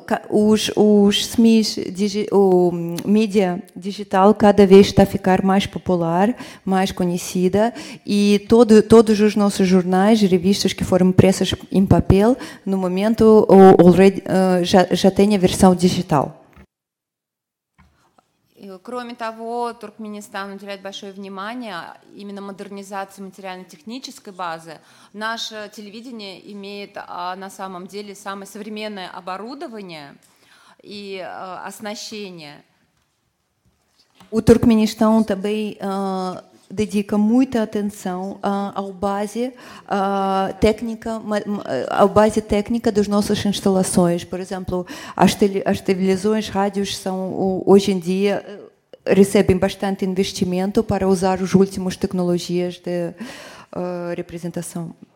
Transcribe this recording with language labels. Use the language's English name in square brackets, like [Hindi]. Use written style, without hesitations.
[Russian] Уж СМИ, медиа дигитал, [Portuguese] cada vez está a ficar mais popular, mais conhecida, [Russian] и [Portuguese] todos os nossos jornais, revistas que foram impressas em papel, no momento já têm a versão digital. [Russian] Кроме того, Туркменистан уделяет большое внимание именно модернизации материально-технической базы. Наше телевидение имеет на самом деле самое современное оборудование и оснащение. У Туркменистана также [Portuguese] dedica muita atenção à base técnica das nossas instalações. Por exemplo, as televisões, rádios são hoje em dia recebem bastante investimento para usar as últimas tecnologias de representação.